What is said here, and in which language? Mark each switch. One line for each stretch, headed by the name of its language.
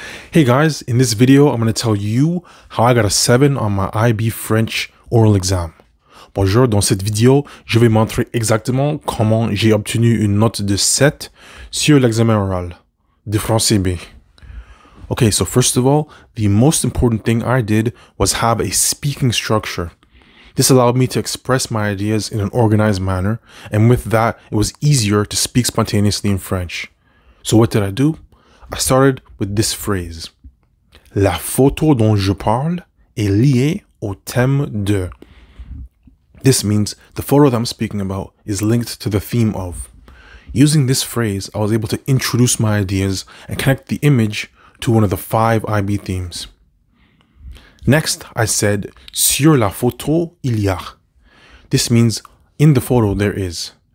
English: Hey guys, in this video, I'm going to tell you how I got a 7 on my IB French oral exam.
French: Bonjour, dans cette vidéo, je vais montrer exactement comment j'ai obtenu une note de 7 sur l'examen oral de français B.
English: Okay, so first of all, the most important thing I did was have a speaking structure. This allowed me to express my ideas in an organized manner, and with that, it was easier to speak spontaneously in French. So what did I do? I started with this phrase.
French: La photo dont je parle est liée au thème de.
English: This means the photo that I'm speaking about is linked to the theme of. Using this phrase, I was able to introduce my ideas and connect the image to one of the 5 IB themes. Next, I said,
French: sur la photo, il y a.
English: This means in the photo, there is.